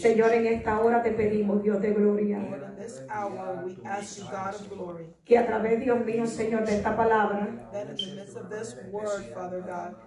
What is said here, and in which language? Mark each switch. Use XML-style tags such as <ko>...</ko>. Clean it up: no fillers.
<es>Señor, en esta hora te pedimos, Dios de gloria.</es> <en>Lord, in this hour, we ask you, God of glory.</en> <es>Que a través, Dios mío, Señor, de esta palabra,</es> <en>that in the midst of this word, Father God,</en>